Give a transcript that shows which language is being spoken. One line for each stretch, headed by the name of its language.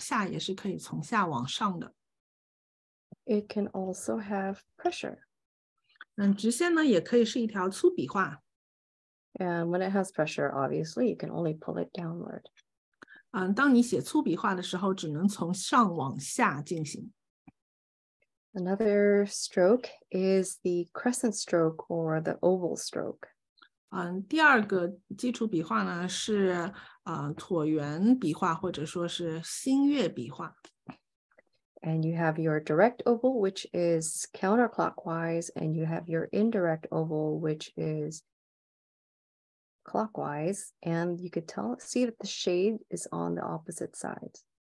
Chinese: 这条游丝的直线呢，它是可以从上往下，也是可以从下往上的。
English: It can also have pressure.
Chinese: 直线呢也可以是一条粗笔画。
English: And when it has pressure, obviously, you can only pull it downward.
Chinese: 当你写粗笔画的时候，只能从上往下进行。
English: Another stroke is the crescent stroke or the oval stroke.
Chinese: 第二个基础笔画呢是椭圆笔画或者说是星月笔画。
English: And you have your direct oval, which is counterclockwise, and you have your indirect oval, which is clockwise. And you could tell, see that the shade is on the opposite sides.